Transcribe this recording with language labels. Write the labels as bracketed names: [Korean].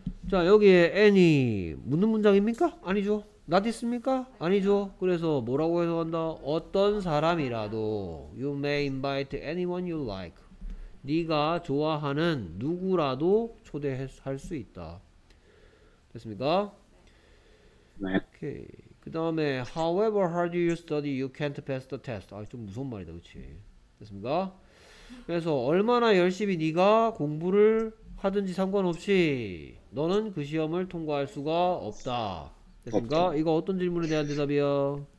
[Korean] 자 여기에 any 묻는 문장입니까? 아니죠. Not 있습니까? 아니죠. 그래서 뭐라고 해석한다? 어떤 사람이라도 [English] You may invite anyone you like. [Korean] 네가 좋아하는 누구라도 초대할 수 있다. 됐습니까? 네. 오케이. 그 다음에 [English] However hard you study, you can't pass the test. [Korean] 아, 좀 무서운 말이다. 그치? 됐습니까? 그래서 얼마나 열심히 네가 공부를 하든지 상관없이 너는 그 시험을 통과할 수가 없다. 됐습니까? 없죠. 이거 어떤 질문에 대한 대답이야?